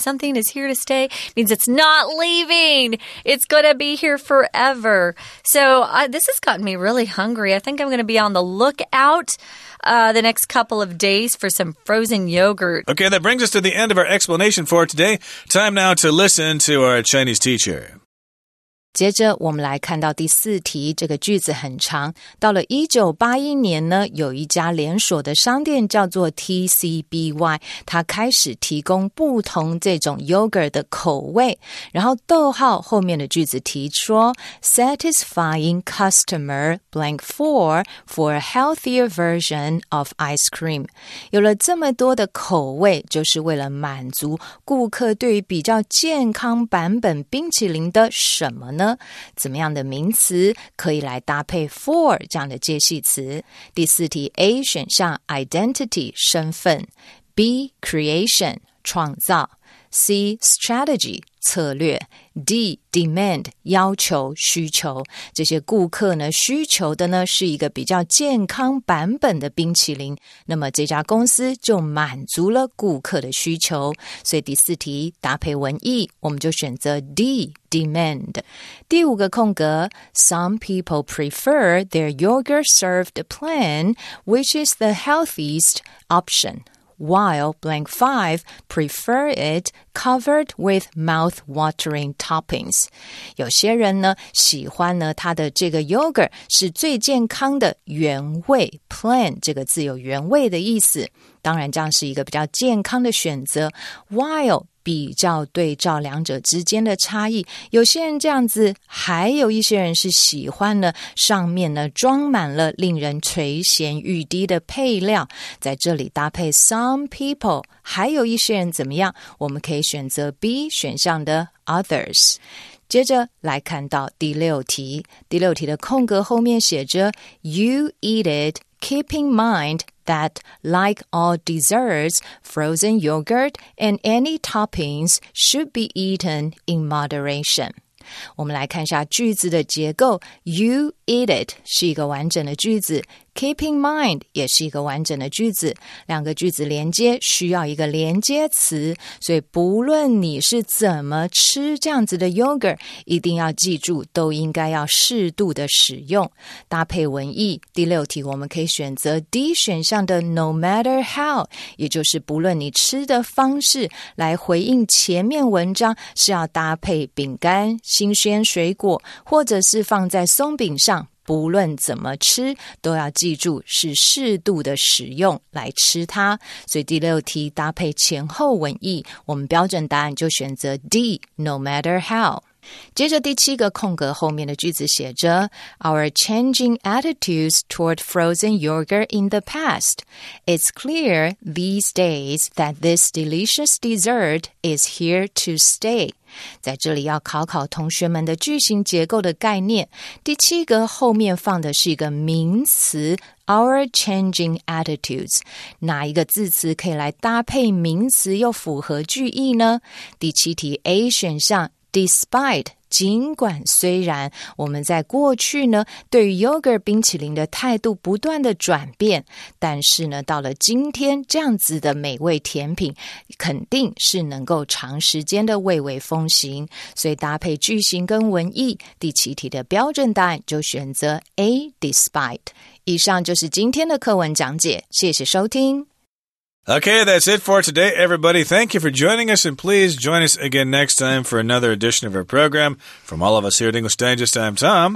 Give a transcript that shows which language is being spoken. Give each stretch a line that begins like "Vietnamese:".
English: Something is here to stay means it's not leaving. It's going to be here forever. So this has gotten me really hungry. I think I'm going to be on the lookout the next couple of days for some frozen yogurt. Okay, that brings us to the end of our explanation for today. Time now to listen to our Chinese teacher.
Chinese: 接着我们来看到第四题，这个句子很长。到了1981年呢，有一家连锁的商店叫做 TCBY， 它开始提供不同这种 yogurt 的口味。然后逗号后面的句子提说 ,
English: satisfying customer blank for a healthier version of ice cream。
Chinese: 有了这么多的口味，就是为了满足顾客对于比较健康版本冰淇淋的什么呢？怎么样的名词可以来搭配 for 这样的介系词？第四题 A 选项 identity 身份 ，B creation 创造 ，C strategy 策略 ，D demand 要求需求。这些顾客呢需求的呢是一个比较健康版本的冰淇淋，那么这家公司就满足了顾客的需求。所以第四题搭配文意，我们就选择 D。
English: Demand.
Chinese: 第五个空格
English: Some people prefer their yogurt served plain, which is the healthiest option, while blank five prefer it covered with mouth-watering toppings.
Chinese: 有些人呢喜欢呢他的这个 yogurt 是最健康的原味 plain 这个字有原味的意思。当然这样是一个比较健康的选择 while比较对照两者之间的差异，有些人这样子，还有一些人是喜欢呢，上面呢装满了令人垂涎欲滴的配料，在这里搭配 some people， 还有一些人怎么样？我们可以选择 B 选项的 others。接着来看到第六题，第六题的空格后面写着
English: You eat it, keep in mind. That, like all desserts, frozen yogurt and any toppings should be eaten in moderation.
Chinese: 我们来看一下句子的结构。
English: You eat it
Chinese: 是一个完整的句子。
English: Keep in mind
Chinese: 也是一个完整的句子。两个句子连接需要一个连接词。所以不论你是怎么吃这样子的 yogurt, 一定要记住都应该要适度的使用。搭配文意第六题我们可以选择 D 选项的
English: no matter how,
Chinese: 也就是不论你吃的方式来回应前面文章是要搭配饼干、新鲜水果或者是放在松饼上。不论怎么吃都要记住是适度的使用来吃它。所以第六题搭配前后文意，我们标准答案就选择 D,
English: no matter how。
Chinese: 接着第七个空格后面的句子写着
English: Our changing attitudes toward frozen yogurt in the past. It's clear these days that this delicious dessert is here to stay.
Chinese: 在这里要考考同学们的句型结构的概念。第七个后面放的是一个名词
English: Our changing attitudes.
Chinese: 哪一个字词可以来搭配名词又符合句意呢？第七题 A 选项Despite, 尽管虽然我们在过去呢对于 yogurt 冰淇淋的态度不断的转变，但是呢到了今天这样子的美味甜品肯定是能够长时间的蔚为风行，所以搭配句型跟文意，第七题的标准答案就选择 A, despite. 以上就是今天的课文讲解，谢谢收听。
English: Okay, that's it for today, everybody. Thank you for joining us, and please join us again next time for another edition of our program. From all of us here at English Digest, I'm Tom.